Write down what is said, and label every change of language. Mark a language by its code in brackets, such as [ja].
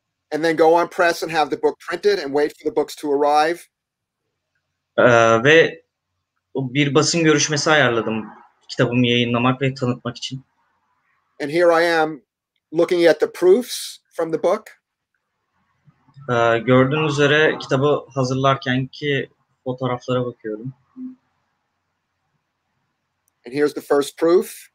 [en] And then go on press and have the book printed and wait for the books to arrive. [tr] Ve bir basın görüşmesi ayarladım kitabımı yayınlamak ve tanıtmak için. [en] And here I am looking at the proofs from the book. [tr] Gördüğünüz üzere kitabı hazırlarken ki fotoğraflara bakıyorum. [en] And here's the first proof.